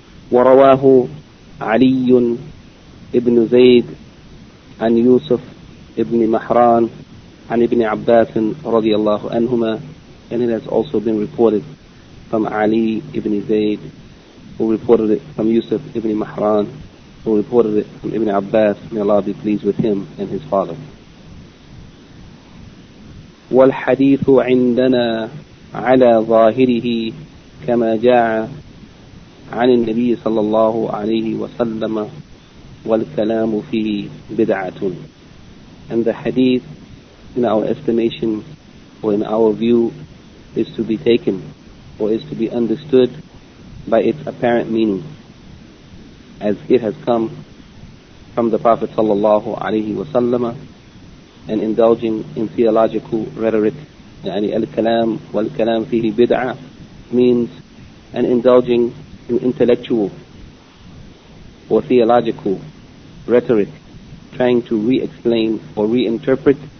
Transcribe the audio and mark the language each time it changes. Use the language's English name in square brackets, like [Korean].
[Arabic] وَرَوَاهُ عَلِيٌّ إِبْنُ زَيْدٍ عَنْ يُوسُفِ إِبْنِ مَحْرَانٍ عَنْ إِبْنِ عَبَّاسٍ رَضِيَ اللَّهُ عَنْهُمَا. [English] And it has also been reported from Ali ibn Zayd, who reported it from Yusuf ibn Mahran, who reported it from Ibn Abbas, may Allah be pleased with him and his father. [Arabic] والحديث عندنا على ظاهره كما جاء عن النبي صلى الله عليه وسلم والكلام فيه بدعة. [English] And the hadith, in our estimation or in our view, is to be taken or is to be understood by its apparent meaning, as it has come from the Prophet صلى الله عليه وسلم, and indulging in theological rhetoric, [Arabic] يعني الكلام والكلام فيه بدعة, [English] means and indulging in intellectual or theological rhetoric, trying to re-explain or reinterpret